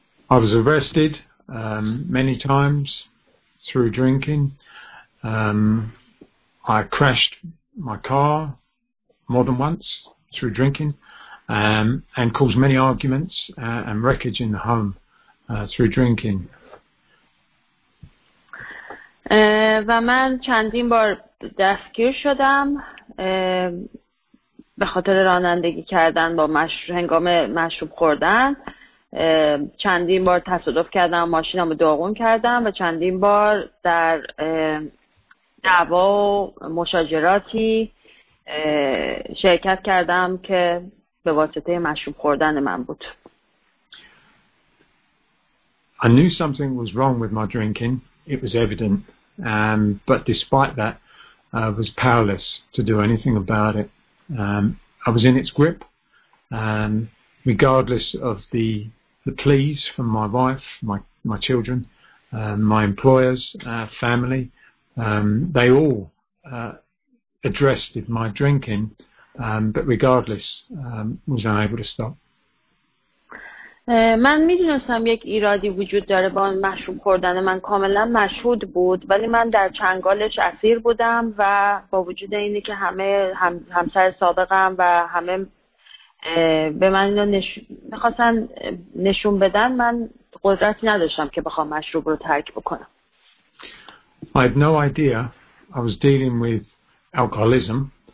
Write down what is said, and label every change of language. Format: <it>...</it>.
<en>I was arrested many times through drinking. I crashed my car more than once through drinking. And caused many arguments and wreckage in the home through drinking.</en> <fa>و من چندین بار دستگیر شدم به خاطر رانندگی کردن با هنگام مشروب خوردن. چندین بار تصادف کردم، ماشینم رو داغون کردم و چندین بار در دعوا و مشاجراتی شرکت کردم که به واسطه مشروب خوردن من بود.</fa> <en>I knew something was wrong with my drinking. It was evident. But despite that, I was powerless to do anything about it. I was in its grip. Regardless of the pleas from my wife, my children, my employers, family, they all addressed my drinking. But regardless, was unable to stop.</en> <fa>من میدونستم یک ایرادی وجود داره با مشروب خوردن من، کاملا مشهود بود، ولی من در چنگالش اسیر بودم و با وجود اینه که همه همسر سابقم و همه به من اینو میخواستن نشون بدن، من قدرتی نداشتم که بخوام مشروب رو ترک بکنم.</fa> <en>I had no idea I was dealing with alcoholism.</en>